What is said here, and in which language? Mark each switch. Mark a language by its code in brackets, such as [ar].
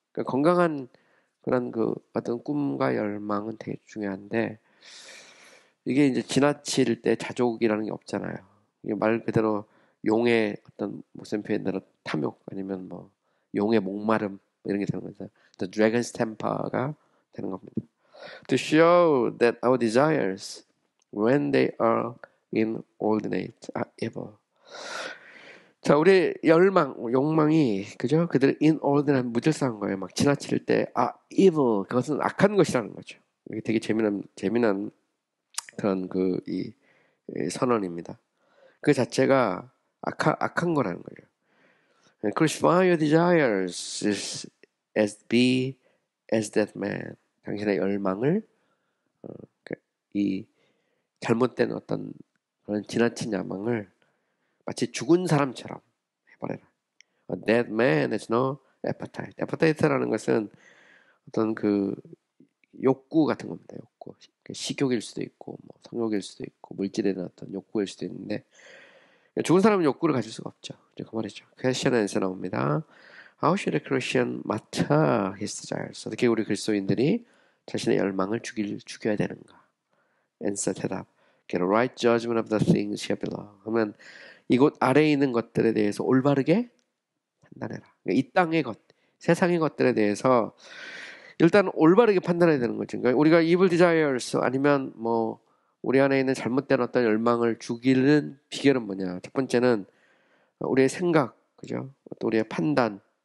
[ko] 그러니까 건강한 그런 그 어떤 꿈과 열망은 되게 중요한데 이게 이제 지나칠 때 자족이라는 게 없잖아요. 이게 말 그대로 용의 어떤 목숨 표현대로 탐욕 아니면 뭐 용의 목마름 이런 게 되는 거죠. [en] The dragon's temper가 [ko] 되는 겁니다. [en] To show that our desires, when they are inordinate, are evil. [ko] 자, 우리 열망, 욕망이 그죠? 그들의 inordinate 무질서한 거예요. 막 지나칠 때, 아, evil, 그것은 악한 것이라는 거죠. 이게 되게 재미난 그런 이 선언입니다. 그 자체가 악한 거라는 거예요. [en] Crucify your desires as be as that man. [ko] 당신의 열망을 이 잘못된 어떤 그런 지나친 야망을 마치 죽은 사람처럼 해버려라. [en] A dead man has no appetite. [ko] Appetite라는 것은 어떤 그 욕구 같은 겁니다. 욕구. 식욕일 수도 있고, 뭐 성욕일 수도 있고, 물질에 대한 어떤 욕구일 수도 있는데, 죽은 사람은 욕구를 가질 수가 없죠. 이제 그 말이죠. [en] Question and answer 나옵니다. How should a Christian matter his desires? [ko] 어떻게 우리 그리스도인들이 자신의 열망을 죽여야 되는가? Answer, 대답. [en] Get a right judgment of the things here below. [ko] 하면 이곳 아래에 있는 것들에 대해서 올바르게 판단해라. 그러니까 이 땅의 것, 세상의 것들에 대해서 일단 올바르게 판단해야 되는 거죠. 그러니까 우리가 evil desires 아니면 뭐 우리 안에 있는 잘못된 어떤 열망을 죽이는 비결은 뭐냐? 첫 번째는 우리의 생각, 그죠? 또 우리의 판단.